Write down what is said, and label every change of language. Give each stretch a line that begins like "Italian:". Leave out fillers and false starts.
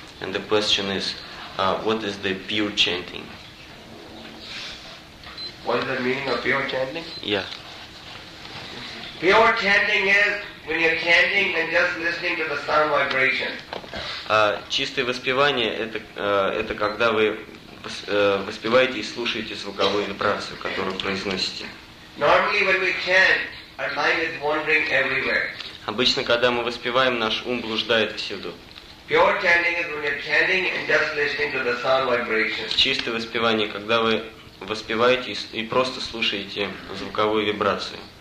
English: And the question is, what is the pure chanting? What is the meaning of pure chanting? Yeah. Pure chanting is when you're chanting and just listening to the sound vibration.
Russian: Чистое воспевание это когда вы воспеваете и слушаете звуковую вибрацию, которую произносите.
English: Normally when we chant, our mind is wandering everywhere.
Russian: Обычно, когда мы воспеваем, наш ум блуждает всюду.
English: Pure chanting is when you're chanting and just listening to the sound vibrations.
Russian: Чистое воспевание, когда вы воспеваете и просто слушаете звуковую вибрацию.